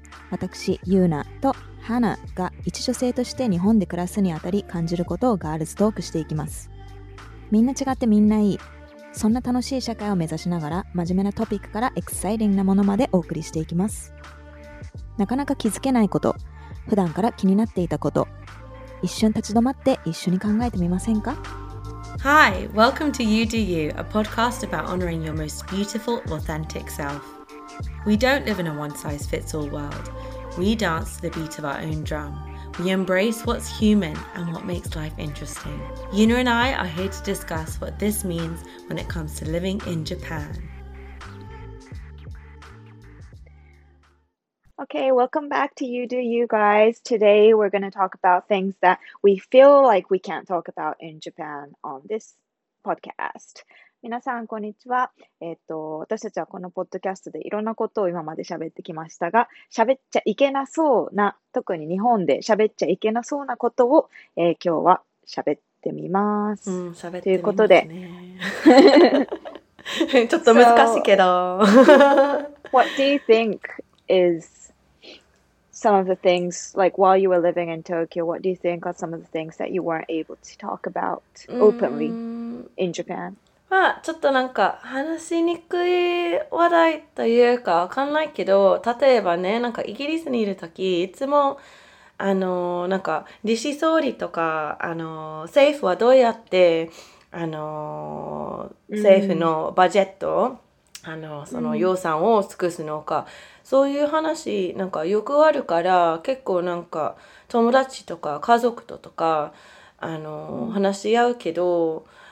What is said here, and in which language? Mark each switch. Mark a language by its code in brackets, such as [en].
[ja] 私ユーナとハナが一女性として日本で暮らすにあたり感じることをガールズトークしていきます。みんな違ってみんないい、そんな楽しい社会を目指しながら、真面目なトピックからエクサイティングなものまでお送りしていきます。なかなか気づけないこと、普段から気になっていたこと、一瞬立ち止まって一緒に考えてみませんか？ [en] Hi, welcome to You Do You, a podcast about honoring your most beautiful, authentic self. We don't live in a one-size-fits-all world. We dance to the beat of our own drum. We embrace what's human and what makes life interesting. Yuna and I are here to discuss what this means when it comes to living in Japan. Okay, welcome back to You Do You guys. Today we're going to talk about things that we feel like we can't talk about in Japan on this podcast. [ja] 皆さんこんにちは。私たちはこのポッドキャストでいろんなことを今まで喋ってきましたが、喋っちゃいけなそうな、特に日本で喋っちゃいけなそうなことを、今日は喋ってみます。喋ってみますね。ということで。ちょっと難しいけど。 [en] What do you think is... Some of the things, like while you were living in Tokyo, what do you think are some of the things that you weren't able to talk about openly in Japan? [ja] まあ、ちょっとなんか話しにくい話題というかわかんないけど、例えばね、なんかイギリスにいるとき、いつもあのなんか理事総理とかあの政府はどうやってあの政府のバジェットをあの、その予算を尽くすのか、そういう話、なんかよくあるから、結構なんか、友達とか家族とか、あの、話し合うけど、